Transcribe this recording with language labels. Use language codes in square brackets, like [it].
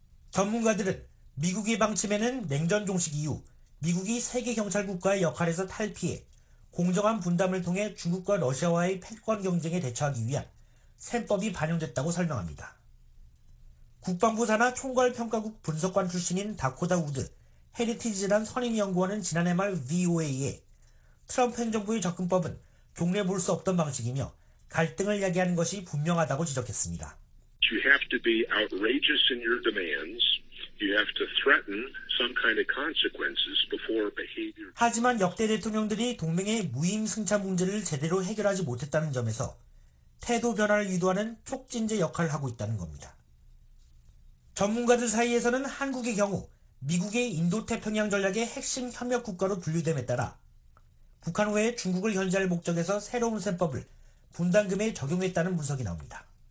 [ko] 전문가들은 미국의 방침에는 냉전 종식 이후 미국이 세계 경찰 국가의 역할에서 탈피해 공정한 분담을 통해 중국과 러시아와의 패권 경쟁에 대처하기 위한 셈법이 반영됐다고 설명합니다. 국방부사나 총괄평가국 분석관 출신인 다코다 우드 헤리티지단 선임연구원은 지난해 말 VOA에 트럼프 행정부의 접근법은 종례 볼 수 없던 방식이며 갈등을 야기하는 것이 분명하다고 지적했습니다. [en] You have to be outrageous in your demands. You have to threaten some kind of consequences before behavior. [ko] 하지만 역대 대통령들이 동맹의 무임승차 문제를 제대로 해결하지 못했다는 점에서 태도 변화를 유도하는 촉진제 역할을 하고 있다는 겁니다. 전문가들 사이에서는 한국의 경우 미국의 인도태평양 전략의 핵심 협력 국가로 분류됨에 따라 북한 외에 중국을 견제할 목적에서 새로운 셈법을 분담금에 적용했다는 분석이 나옵니다.